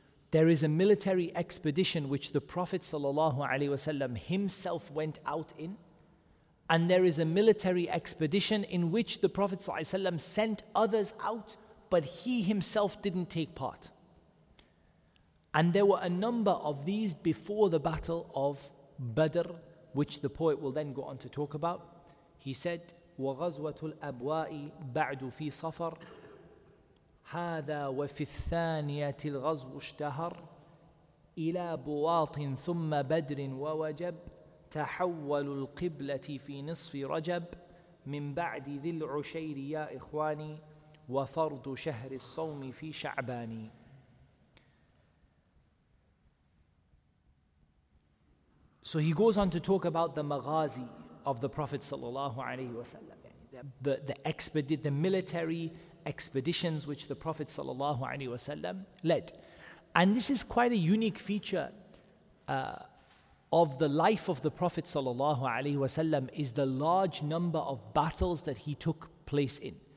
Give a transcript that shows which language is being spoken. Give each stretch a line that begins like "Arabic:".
English: There is a military expedition which the Prophet ﷺ himself went out in, and there is a military expedition in which the Prophet ﷺ sent others out, but he himself didn't take part. And there were a number of these before the Battle of Badr, which the poet will then go on to talk about. He said,
Arabic: وَغَزْوَةُ الْأَبْوَاءِ بَعْدُ فِي صَفَرٍ هذا وفي الثانية الغزو اشتهر إلى بواط ثم بدر ووجب تحول القبلة في نصف رجب من بعد ذي العشير يا إخواني وفرض شهر الصوم في شعبان.
English: So he goes on to talk about the maghazi of the Prophet sallallahu alayhi wasallam, the military expeditions which the Prophet sallallahu alaihi wasallam led. And this is quite a unique feature of the life of the Prophet sallallahu alaihi wasallam, is the large number of battles that he took place in.